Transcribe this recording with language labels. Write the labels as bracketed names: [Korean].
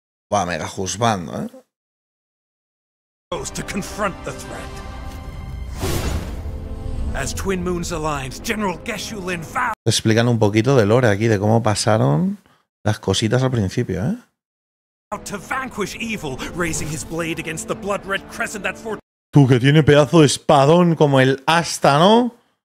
[Spanish] Va, mega juzgando, ¿eh? [English] To confront the threat. As Twin Moons aligned, General Geshu Lin vowed... [Spanish] Explican un poquito de lore aquí, de cómo pasaron las cositas al principio, ¿eh? [English] To vanquish evil, raising his blade against the blood red crescent that for... [Spanish] Tú, que tiene pedazo de espadón como el asta, ¿no?